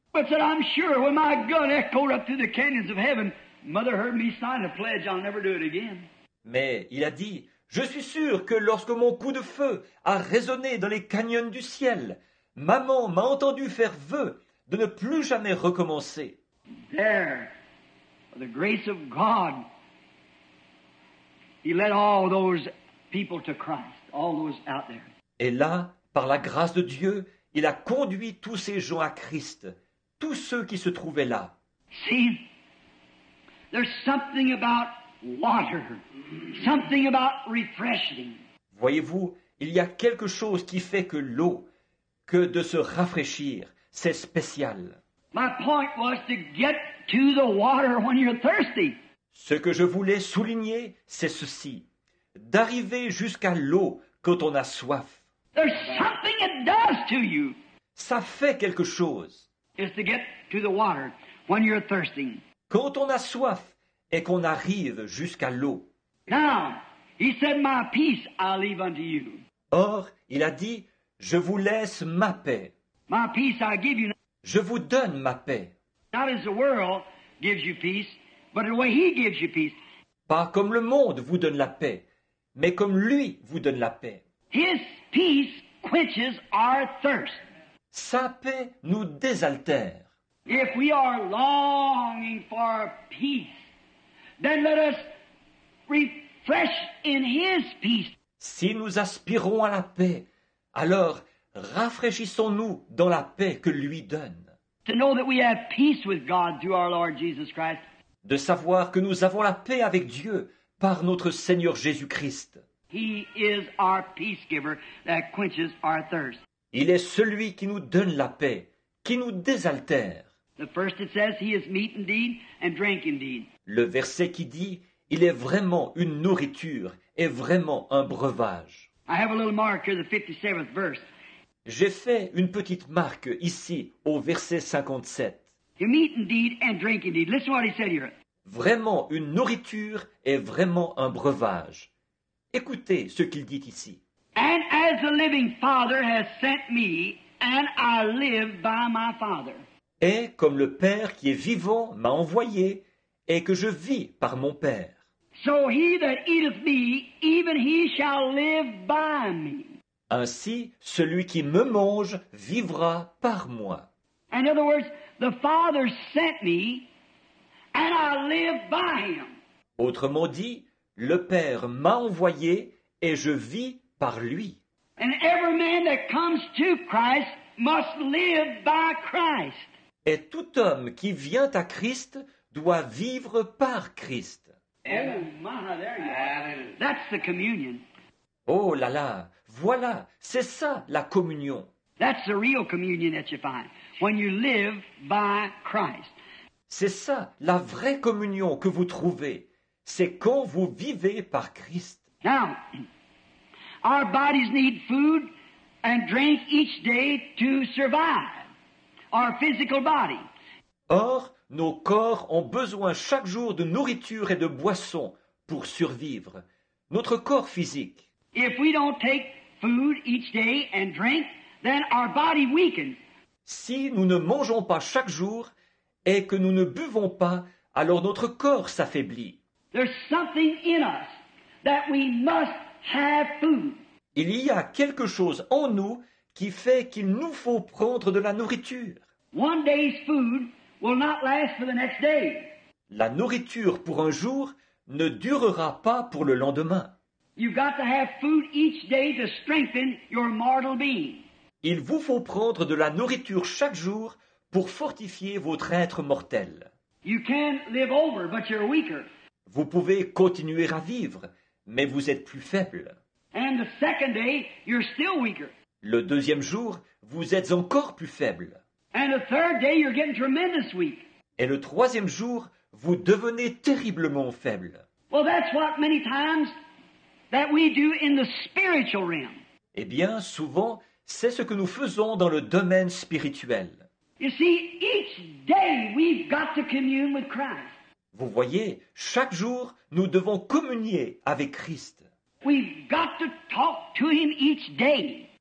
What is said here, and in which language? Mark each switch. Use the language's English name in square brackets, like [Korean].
[English] But said, I'm sure when my gun echoed up through the canyons of heaven, mother heard me sign a pledge I'll never do it again. [French] Mais il a dit, je suis sûr que lorsque mon coup de feu a résonné dans les canyons du ciel, maman m'a entendu faire vœu de ne plus jamais recommencer. [English] There, by the grace of God, he led all those people to Christ, all those out there. [French] Et là, par la grâce de Dieu, il a conduit tous ces gens à Christ, tous ceux qui se trouvaient là. [English] See, there's something about water, something about refreshing. [French] Voyez-vous, il y a quelque chose qui fait que l'eau, que de se rafraîchir, c'est spécial. [English] My point was to get to the water when you're thirsty. [French] Ce que je voulais souligner, c'est ceci, d'arriver jusqu'à l'eau quand on a soif. [English] There's something it does to you. [French] Ça fait quelque chose. [English] It's to get to the water when you're thirsty. [French] Quand on a soif, et qu'on arrive jusqu'à l'eau. [English] Now, he said, my peace I leave unto you. [French] Or, il a dit, je vous laisse ma paix. [English] My peace I give you. [French] Je vous donne ma paix. [English] Not as the world gives you peace, but the way he gives you peace. [French] Pas comme le monde vous donne la paix, mais comme lui vous donne la paix. [English] His peace quenches our thirst. [French] Sa paix nous désaltère. [English] If we are longing for peace, then let us refresh in his peace. [French] Si nous aspirons à la paix, alors rafraîchissons-nous dans la paix que lui donne. [English] To know that we have peace with God through our Lord Jesus Christ. [French] De savoir que nous avons la paix avec Dieu par notre Seigneur Jésus-Christ. [English] He is our peace giver that quenches our thirst. [French] Il est celui qui nous donne la paix, qui nous désaltère. [English] The first it says he is meat indeed and drink indeed. [French] Le verset qui dit, il est vraiment une nourriture et vraiment un breuvage. [English] I have a little mark here, the 57th verse. [French] J'ai fait une petite marque ici au verset 57. [English] You meet indeed and drink indeed. Listen to what he said here. [French] Vraiment une nourriture et vraiment un breuvage. Écoutez ce qu'il dit ici. [English] And as the living Father has sent me, and I live by my Father. [French] Et comme le Père qui est vivant m'a envoyé, et que je vis par mon Père. [English] So he that eateth me, even he shall live by me. [French] Ainsi, celui qui me mange vivra par moi. [English] In other words, the Father sent me, and I live by him. [French] Autrement dit, le Père m'a envoyé, et je vis par lui. [English] And every man that comes to Christ must live by Christ. [French] Et tout homme qui vient à Christ doit vivre par Christ. [English] Oh, my, there you are. That's the communion. [French] Oh là là, voilà, c'est ça la communion. [English] That's the real communion that you find when you live by Christ. [French] C'est ça la vraie communion que vous trouvez. C'est quand vous vivez par Christ. [English] Now, our bodies need food and drink each day to survive. Our physical body. [French] Or, nos corps ont besoin chaque jour de nourriture et de boisson pour survivre. Notre corps physique. [English] If we don't take food each day and drink, then our body weakens. [French] Si nous ne mangeons pas chaque jour et que nous ne buvons pas, alors notre corps s'affaiblit. [English] There's something in us that we must have food. [French] Il y a quelque chose en nous qui fait qu'il nous faut prendre de la nourriture. [English] One day's food will not last for the next day. [French] La nourriture pour un jour ne durera pas pour le lendemain. [English] You've got to have food each day to strengthen your mortal being. [French] Il vous faut prendre de la nourriture chaque jour pour fortifier votre être mortel. [English] You can live over, but you're weaker. [French] Vous pouvez continuer à vivre, mais vous êtes plus faible. [English] And the second day, you're still weaker. [French] Le deuxième jour, vous êtes encore plus faible. [English] And the third day, you're getting tremendous weak. [French] Et le troisième jour, vous devenez terriblement faible. [English] Well, that's what many times that we do in the spiritual realm. [French] Eh bien, souvent, c'est ce que nous faisons dans le domaine spirituel. [English] You see, each day we've got to commune with Christ. [French] Vous voyez, chaque jour, nous devons communier avec Christ. [English] We've got to talk to him each day.